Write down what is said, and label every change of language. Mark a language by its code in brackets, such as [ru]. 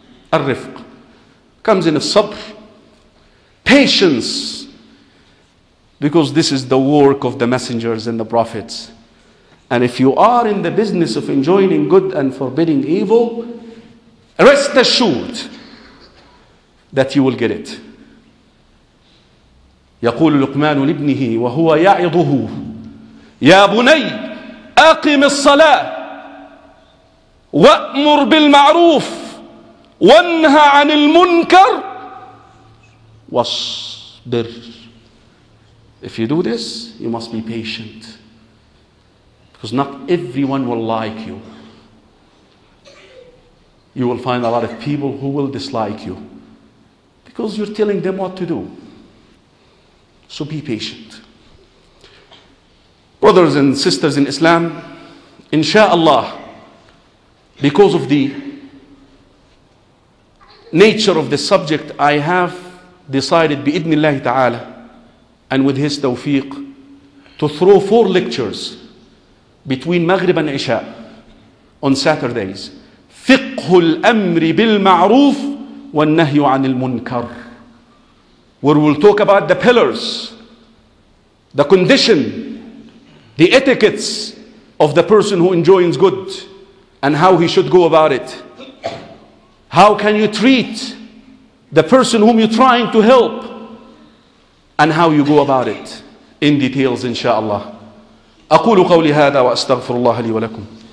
[en] Al-rifq comes in a sabr, patience, Because this is the work of the messengers and the prophets. And if you are in the business of enjoining good and forbidding evil, rest assured that you will get it. [ar] يقول لقمان لابنه وهو يعظه يا بني أقم الصلاة وأمر بالمعروف وانهى عن المنكر واصبر. [en] If you do this, you must be patient. Because not everyone will like you. You will find a lot of people who will dislike you. Because you're telling them what to do. So be patient. Brothers and sisters in Islam, inshallah, because of the nature of the subject, I have decided [ar] بإذن الله تعالى [en] and with his tawfiq to throw 4 lectures between Maghrib and Isha on Saturdays. [ar] فقه الأمر بالمعروف والنهي عن المنكر. [en] Where we'll talk about the pillars, the condition, the etiquettes of the person who enjoins good and how he should go about it. How can you treat the person whom you're trying to help and how you go about it in details, inshallah. [ar] أقول قولي هذا وأستغفر الله لي ولكم.